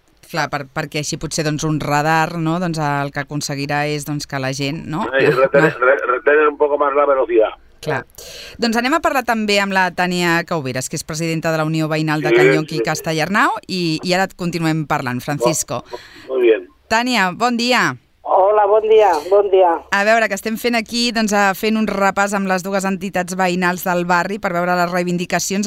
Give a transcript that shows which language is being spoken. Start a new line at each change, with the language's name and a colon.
Catalan: Clar, perquè així potser doncs un radar, no?, doncs el que aconseguirà és doncs que la gent, no?
Spanish: Retener un poco más la velocidad.
Catalan: Clar. Doncs anem a parlar també amb la Tània Caubiras, que és presidenta de la Unió Veïnal de Canyonqui i Castellarnau, i ara continuem parlant, Francisco. Molt bé. Tània, bon dia. Hola, bon dia. A veure, que estem fent aquí, doncs, fent un repàs amb les dues entitats veïnals del barri per veure les reivindicacions.